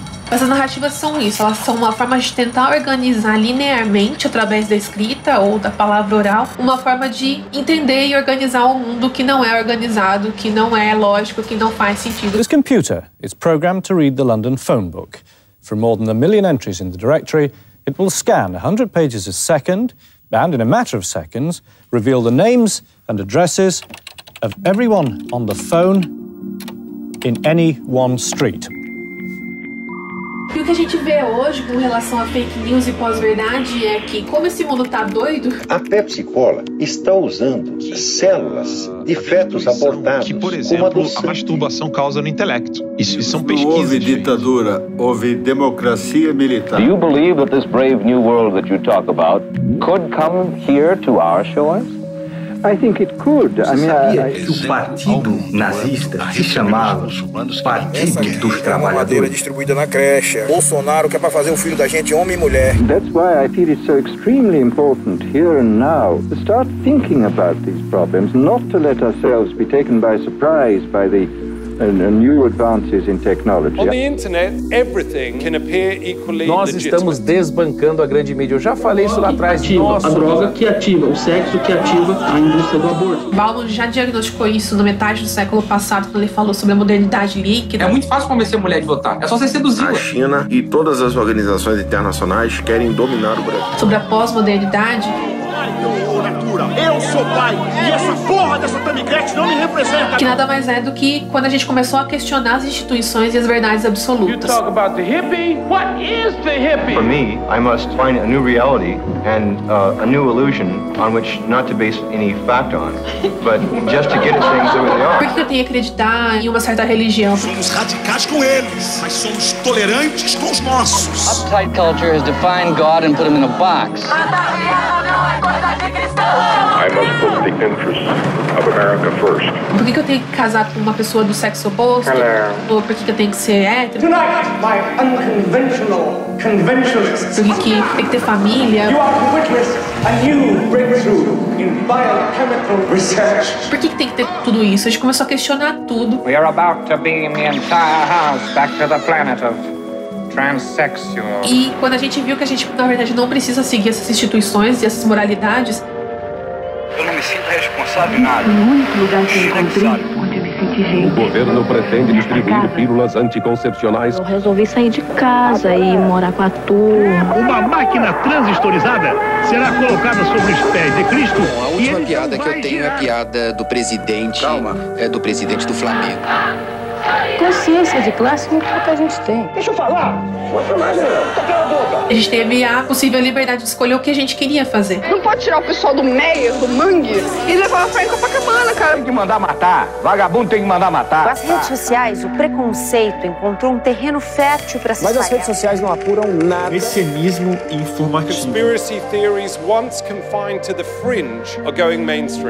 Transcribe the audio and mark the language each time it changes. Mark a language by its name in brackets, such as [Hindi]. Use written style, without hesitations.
[Portuguese] Essas narrativas são isso, elas são uma forma de tentar organizar linearmente, através da escrita ou da palavra oral, uma forma de entender e organizar um mundo que não é organizado, que não é lógico, que não faz sentido. [English] This computer is programmed to read the London phone book. For more than 1 million entries in the directory, it will scan 100 pages a second and, in a matter of seconds, reveal the names and addresses of everyone on the phone in any one street. [Portuguese] E o que a gente vê hoje com relação a fake news e pós-verdade é que, como esse mundo tá doido... A Pepsi Cola está usando células de fetos abortados. Que, por exemplo, a masturbação causa no intelecto. Isso são pesquisas. Não houve ditadura, houve democracia militar. [English] Do you believe that this brave new world that you talk about could come here to our shores? I think it could. [Portuguese] O partido nazista se chamava Partido dos Trabalhadores. Distribuída na creche. Bolsonaro quer para fazer o filho da gente homem e mulher. [English] That's why I feel it's so extremely important here and now to start thinking about these problems, not to let ourselves be taken by surprise by the new advances in technology. On the internet, everything can appear equally [Portuguese] Nós [English] legitimate. [Portuguese] Estamos desbancando a grande mídia. Eu já falei isso lá atrás. A droga que ativa, o sexo que ativa a indústria do aborto. Baldwin já diagnosticou isso na metade do século passado, quando ele falou sobre a modernidade líquida. É muito fácil convencer a mulher de votar. É só você seduzir. A China e todas as organizações internacionais querem dominar o Brasil. Sobre a pós-modernidade. Eu sou pai e essa porra dessa tamiguete não me representa. Que nada mais é do que quando a gente começou a questionar as instituições e as verdades absolutas. [English] You talk about the hippie. What is the hippie? For me, I must find a new reality and a new illusion on which not to base any fact on, but just to get at things the way they are. [Portuguese] Por que eu tenho que acreditar em uma certa religião? Somos radicais com eles, mas somos tolerantes com os nossos. [English] Uptight culture has defined God and put him in a box. I must put the interests of America first. [Portuguese] Por que eu tenho que casar com uma pessoa do sexo oposto? [English] Hello. [Portuguese] Ou por que eu tenho que ser hétero? [English] Tonight, my unconventional conventionalists. [Portuguese] Por que tem que ter família? [English] You are to witness a new breakthrough in biochemical research. [Portuguese] Por que tem que ter tudo isso? A gente começou a questionar tudo. [English] We are about to beam the entire house back to the planet of transsexual. [Portuguese] E quando a gente viu que a gente, na verdade, não precisa seguir essas instituições e essas moralidades. Eu não me sinto responsável em nada. O único lugar que eu encontrei onde eu me senti gente. O governo pretende distribuir pílulas anticoncepcionais. Eu resolvi sair de casa e morar com a turma. Uma máquina transistorizada será colocada sobre os pés de Cristo. Bom, a última piada que eu tenho é a piada do presidente. Calma. É do presidente do Flamengo. Consciência de classe é o que a gente tem. Deixa eu falar! A gente teve a possível liberdade de escolher o que a gente queria fazer. Não pode tirar o pessoal do meio, do mangue, e levar pra Copacabana, cara. Tem que mandar matar. Vagabundo tem que mandar matar. Com as redes sociais, o preconceito encontrou um terreno fértil pra se Mas as redes sociais não apuram nada. Messianismo informativo. [English] Conspiracy theories once confined to the fringe are going mainstream.